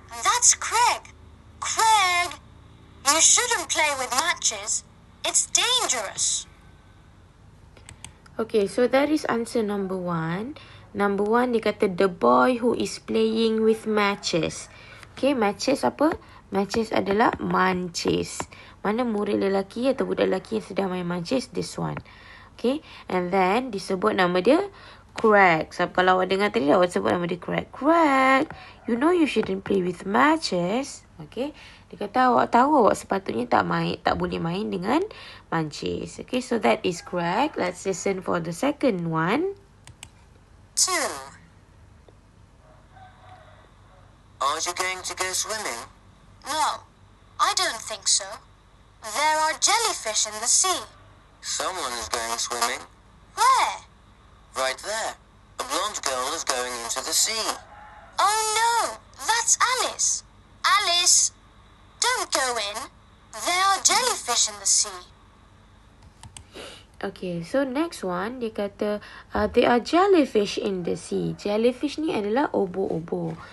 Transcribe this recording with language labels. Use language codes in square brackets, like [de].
[en] That's Craig. Craig! You shouldn't play with matches. It's dangerous. Okay, so that is answer number 1. Number 1, [ms] dia kata [en] the boy who is playing with matches. [ms] Okay, matches apa? Matches adalah manches. Mana murid lelaki atau budak lelaki yang sedang main manches? [en] This one. Okay, and then [ms] disebut nama dia [en] Craig. [ms] So, kalau awak dengar tadi, awak sebut nama dia Craig. [en] Craig, you know you shouldn't play with matches. [ms] Okay, dia kata awak tahu awak sepatutnya tak boleh main dengan manches. [en] Okay, so that is Craig. Let's listen for the second one. 2. Are you going to go swimming? No, I don't think so. There are jellyfish in the sea. Someone is going swimming. Where? Right there. A blonde girl is going into the sea. Oh no, that's Alice. Alice, don't go in. There are jellyfish in the sea. Okay, so next one, [ms] dia kata, [en] there are jellyfish in the sea. [ms] Jellyfish ni adalah obo-obo.